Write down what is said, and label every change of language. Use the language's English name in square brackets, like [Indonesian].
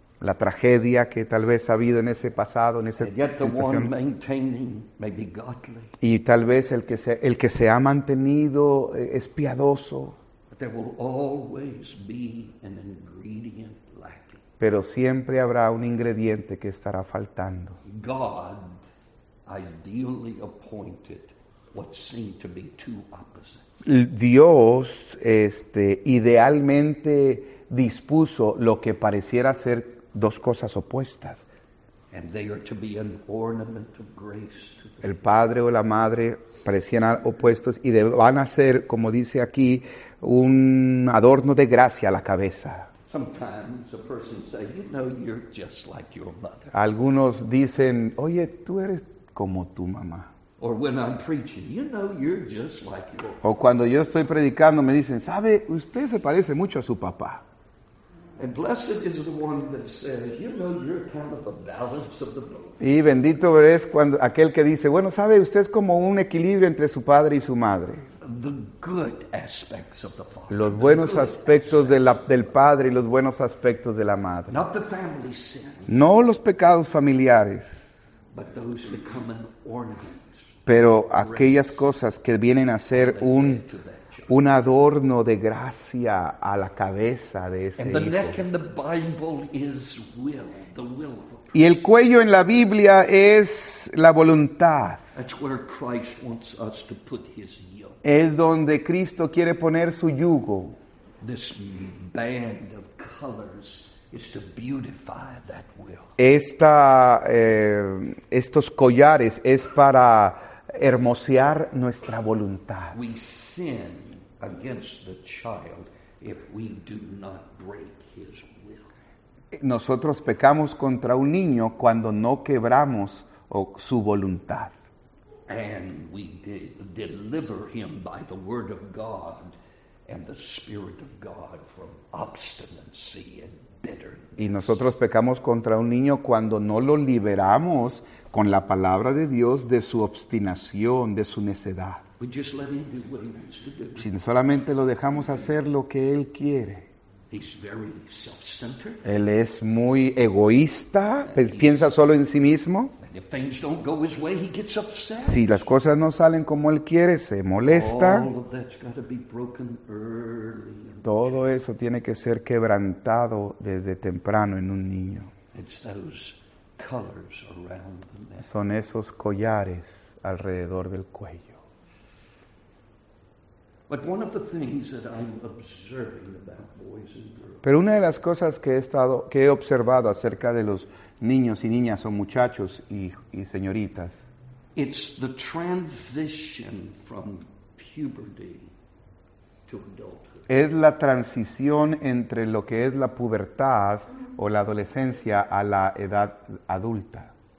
[Spanish] La tragedia que tal vez ha habido en ese pasado, en esa [English] situación. Maintaining may be godly. [Spanish] Y tal vez el que se ha mantenido es piadoso. [English] But there will always be an ingredient. [Spanish] Pero siempre habrá un ingrediente que estará faltando. [English] God ideally appointed what seemed to be two opposites. [Spanish] Dios idealmente dispuso lo que pareciera ser dos cosas opuestas. [English] And they are to be an ornament of grace. [Spanish] El padre o la madre parecían opuestos y van a ser, como dice aquí, un adorno de gracia a la cabeza. [English] Sometimes a person says, you know, you're just like your mother. [Spanish] Algunos dicen, oye, tú eres como tu mamá. [English] Or when I'm preaching, you know, you're just like your father. [Spanish] O cuando yo estoy predicando, me dicen, sabe, usted se parece mucho a su papá. [English] And blessed is the one that says, you know, you're kind of the balance of the both. [Spanish] Y bendito es cuando aquel que dice, bueno, sabe, usted es como un equilibrio entre su padre y su madre. [English] The good aspects of the father. [Spanish] Los buenos aspectos del padre y los buenos aspectos de la madre. [English] Not the family sins. [Spanish] No los pecados familiares. [English] But those become an ornament. [Spanish] Pero aquellas cosas que vienen a ser un adorno de gracia a la cabeza de ese hijo. [English] And the neck in the Bible is will, the will of. [Spanish] Y el cuello en la Biblia es la voluntad. [English] That's where Christ wants us to put his yoke. [Spanish] Es donde Cristo quiere poner su yugo. [English] this band of colors is to beautify that will. [Spanish] Esta, estos collares es para hermosear nuestra voluntad. [English] We sin against the child if we do not break his will. [Spanish] Nosotros pecamos contra un niño cuando no quebramos su voluntad. [English] And we deliver him by the word of God and the Spirit of God from obstinacy and bitterness. [Spanish] Y nosotros pecamos contra un niño cuando no lo liberamos con la palabra de Dios de su obstinación, de su necedad. [English] We just let him do what he wants to do. [Spanish] Si solamente lo dejamos hacer lo que él quiere. [English] He's very self-centered. [Spanish] Él es muy egoísta, piensa solo en sí mismo. [English] If things don't go his way, he gets upset. [Spanish] Si las cosas no salen como él quiere, se molesta. [English] All of that's got to be broken early. [Spanish] Todo eso tiene que ser quebrantado desde temprano en un niño. [English] It's those colors around the neck. [Spanish] Son esos collares alrededor del cuello. [English] But one of the things that I'm observing about boys and girls. [Spanish] Pero una de las cosas que he observado acerca de los niños y niñas o muchachos y señoritas. [English] It's the transition from puberty to adulthood. [Spanish] Es la transición entre lo que es la pubertad o la adolescencia a la edad adulta.